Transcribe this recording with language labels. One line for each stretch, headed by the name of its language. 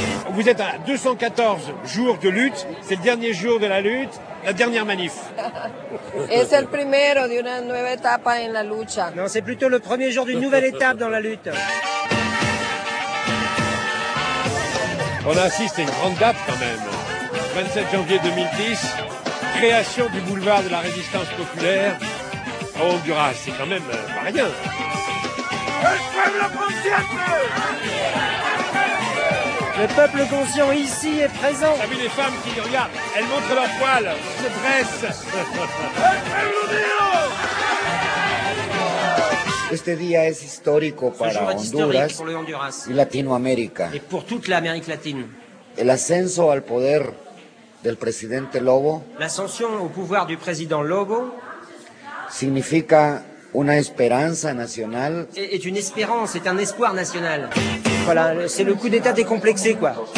French: Vous êtes à 214 jours de lutte, c'est le dernier jour de la lutte, la dernière manif.
Spanish: Es el primero de una nueva etapa en la lucha.
French: Non, c'est plutôt le premier jour d'une nouvelle étape dans la lutte. On assiste à une grande date quand même. 27 janvier 2010, création du boulevard de la résistance populaire à Honduras. C'est quand même pas rien. Le peuple conscient ici est présent. T'as vu les femmes qui regardent, elles montrent leurs poils, se dressent.
Spanish: Este día es histórico para Honduras,
French: pour le Honduras
Spanish: y Latinoamérica.
French: Et pour toute l'Amérique latine.
Spanish: El ascenso al poder del presidente Lobo.
French: L'ascension au pouvoir du président Lobo
Spanish: significa una esperanza nacional.
French: Est une espérance, est un espoir national. Voilà, c'est le coup d'État décomplexé, quoi.